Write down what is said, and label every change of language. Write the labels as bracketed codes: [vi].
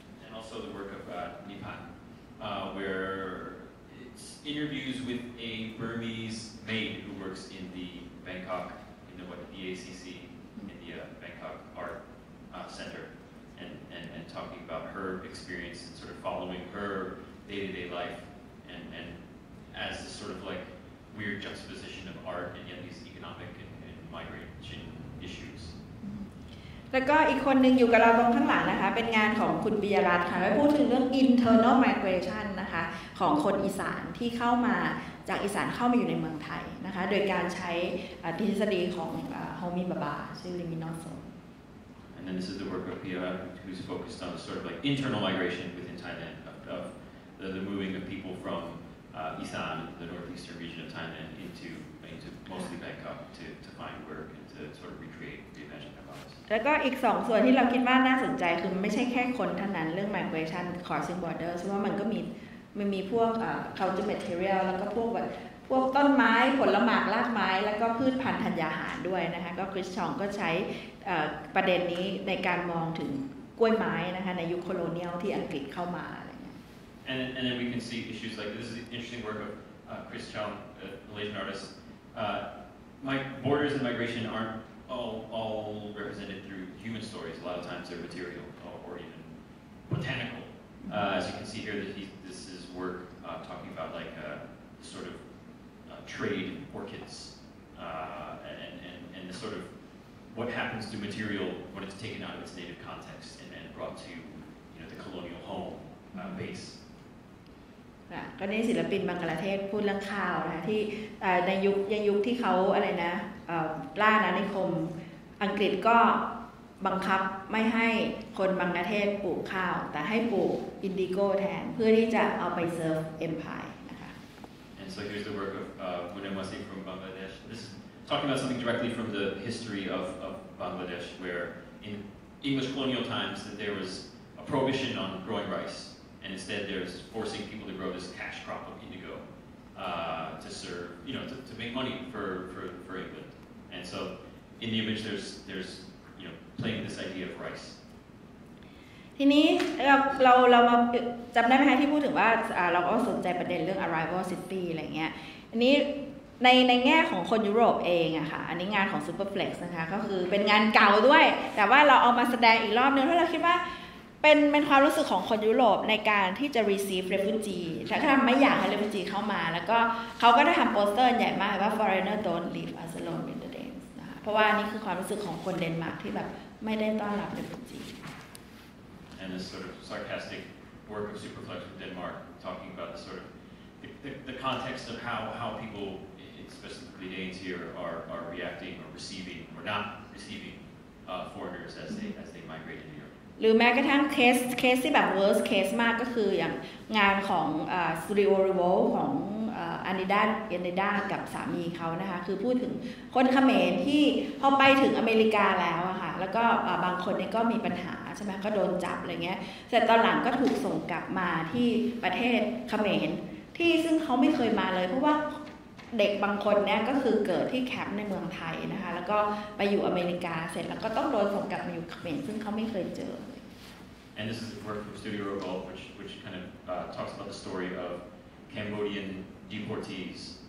[en] And also the work of Nipan, where it's interviews with a Burmese maid who works in the Bangkok, in the BACC, India Bangkok Art Center. And talking about her experience and sort of following her day-to-day life and as this sort of like weird juxtaposition of art and yet these economic and migration issues. [th] แล้วก็อีกคนนึงอยู่กับเราตรงข้างหลังนะคะเป็นงานของคุณปิยรัตน์ค่ะได้พูดถึงเรื่อง [en] internal migration [th] นะคะของคนอีสานที่เข้ามาจากอีสานเข้ามาอยู่ในเมืองไทยนะคะโดยการใช้ทฤษฎีของโฮมีบาบาซึ่งลิมินอส [en] And then this is the work of Pia, who's focused on the sort of like internal migration within Thailand, of the moving of people from Isan, the northeastern region of Thailand, into mostly Bangkok to find work and to sort of recreate, reimagine their lives. [th] แล้วก็อีกสองส่วนที่เราคิดว่าน่าสนใจคือไม่ใช่แค่คนเท่านั้นเรื่อง [en] migration crossing borders [th] ว่ามันก็มีพวก [en] culture material [th] แล้วก็พวกต้นไม้ผลหมากรากไม้แล้วก็พืชพันธุ์ธัญญาหารด้วยนะคะก็คริสชองก็ใช้ประเด็นนี้ในการมองถึงกล้วยไม้นะคะในยุคโคโลเนียลที่อังกฤษเข้ามาอะไรเงี้ย [en] and then we can see issues like this is an interesting work of Chris Chong Malaysian artist borders and migration aren't all represented through human stories a lot of times they're material or even botanical as you can see here that this is work talking about like a sort ofTrade orchids and the sort of what happens to material when it's taken out of its native context and brought to you know the colonial home base. [th] ก็นี่ศิลปินบังกลาเทศพูดเรื่องข้าวนะที่ในยุคที่เขาอะไรนะล่าอาณานิคมอังกฤษก็บังคับไม่ให้คนบังกลาเทศปลูกข้าวแต่ให้ปลูกอินดิโก้แทนเพื่อที่จะเอาไปเซิร์ฟเอ็มพาย [en] So here's the work of Munemasi from Bangladesh. This is talking about something directly from the history of Bangladesh, where in English colonial times that there was a prohibition on growing rice, and instead there's forcing people to grow this cash crop of indigo to serve, you know, to make money for England. And so in the image there's you know playing this idea of rice. [th] ทีนี้เรามาจำได้ไหมคะที่พูดถึงว่าเราก็สนใจประเด็นเรื่อง [en] arrival city [th] อะไรเงี้ยอันนี้ในแง่ของคนยุโรปเองอะค่ะอันนี้งานของ superflex นะคะก็คือเป็นงานเก่าด้วยแต่ว่าเราเอามาแสดงอีกรอบนึงเพราะเราคิดว่าเป็นความรู้สึกของคนยุโรปในการที่จะ [en] receive refugee [th] ถ้าทำไม่อยากให้ refugee เข้ามาแล้วก็เขาก็ได้ทำโปสเตอร์ใหญ่มากว่า [en] foreigner don't leave us alone in the Danes [th] นะคะเพราะว่านี่คือความรู้สึกของคนเดนมาร์กที่แบบไม่ได้ต้อนรับ refugee [en] And this sort of sarcastic work of Superflex from Denmark, talking about the sort of the context of how people, specifically Danes here, are reacting or receiving or not receiving foreigners as they migrate into Europe. [th] หรือแม้กระทั่งเคสที่แบบ [en] worst case [th] มากก็คืออย่างงานของสุริโอริโวของอันดิดาสกับสามีเขานะคะคือพูดถึงคนเขมรที่พอไปถึงอเมริกาแล้วอะค่ะแล้วก็บางคนนี่ก็มีปัญหาใช่ไหมก็โดนจับอะไรเงี้ยเสร็จตอนหลังก็ถูกส่งกลับมาที่ประเทศเขมรที่ซึ่งเขาไม่เคยมาเลยเพราะว่า เด็กบางคนเนี่ยก็คือเกิดที่แคมป์ในเมืองไทยนะคะแล้วก็ไปอยู่อเมริกาเสร็จแล้วก็ต้องโดนส่งกลับมาอยู่เขมรซึ่งเขาไม่เคยเจอ [en] And this is work from Studio Revolt which kind of talks about the story of Cambodian deportees